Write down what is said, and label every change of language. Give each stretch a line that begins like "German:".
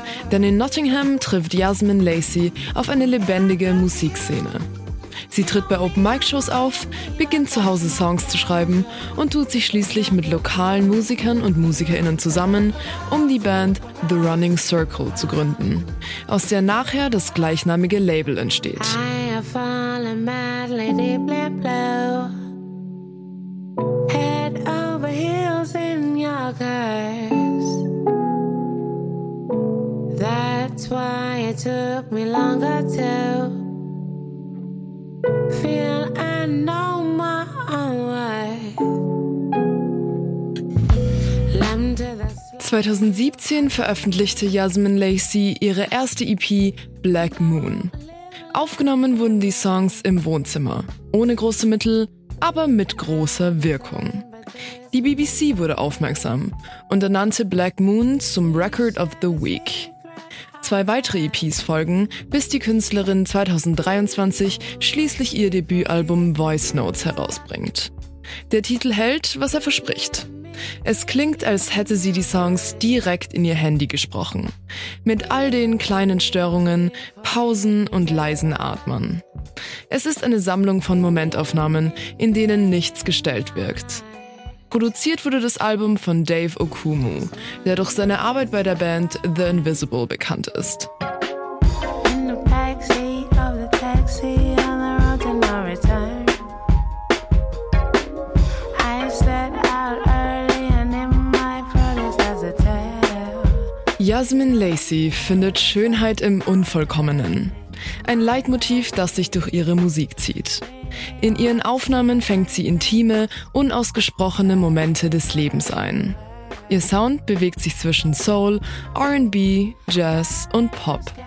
German: Denn in Nottingham trifft Yasmin Lacey auf eine lebendige Musikszene. Sie tritt bei Open-Mic-Shows auf, beginnt zu Hause Songs zu schreiben und tut sich schließlich mit lokalen Musikern und MusikerInnen zusammen, um die Band The Running Circle zu gründen, aus der nachher das gleichnamige Label entsteht.
English: I have fallen madly deeply blue, head over heels in your curves. That's why it took me longer to feel I know my own way.
German: 2017 veröffentlichte Yasmin Lacey ihre erste EP Black Moon. Aufgenommen wurden die Songs im Wohnzimmer, ohne große Mittel, aber mit großer Wirkung. Die BBC wurde aufmerksam und ernannte Black Moon zum Record of the Week. Zwei weitere EPs folgen, bis die Künstlerin 2023 schließlich ihr Debütalbum Voice Notes herausbringt. Der Titel hält, was er verspricht. Es klingt, als hätte sie die Songs direkt in ihr Handy gesprochen. Mit all den kleinen Störungen, Pausen und leisen Atmen. Es ist eine Sammlung von Momentaufnahmen, in denen nichts gestellt wirkt. Produziert wurde das Album von Dave Okumu, der durch seine Arbeit bei der Band The Invisible bekannt ist.
English: In the backseat of the taxi on the road to no return. I set out early and in my protest as a tale.
German: Yasmin Lacey findet Schönheit im Unvollkommenen. Ein Leitmotiv, das sich durch ihre Musik zieht. In ihren Aufnahmen fängt sie intime, unausgesprochene Momente des Lebens ein. Ihr Sound bewegt sich zwischen Soul, R&B, Jazz und Pop.